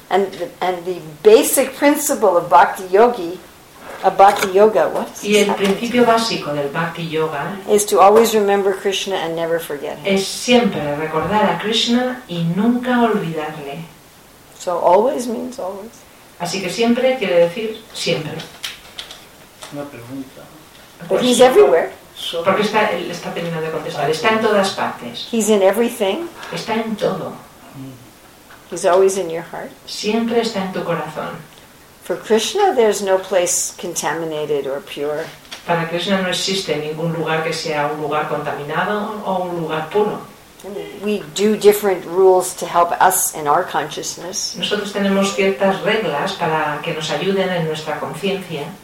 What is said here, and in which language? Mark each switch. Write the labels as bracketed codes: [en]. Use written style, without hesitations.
[en] And the basic principle of bhakti yogi, of bhakti yoga, what? [es] Y el principio básico del bhakti yoga [en] is to always remember Krishna and never forget him. [es] Es siempre recordar a Krishna y nunca olvidarle. [en] So always means always. [es] Así que siempre quiere decir siempre. Una pregunta. [en] But he's everywhere. [es] Porque está, él está teniendo que contestar. Está en todas partes. [en] He's in everything. [es] Está en todo. [en] He's always in your heart. [es] Siempre está en tu corazón. [en] For Krishna, there's no place contaminated or pure. [es] Para Krishna no existe ningún lugar que sea un lugar contaminado o un lugar puro. [en] We do different rules to help us in our consciousness. [es] Nosotros tenemos ciertas reglas para que nos ayuden en nuestra conciencia.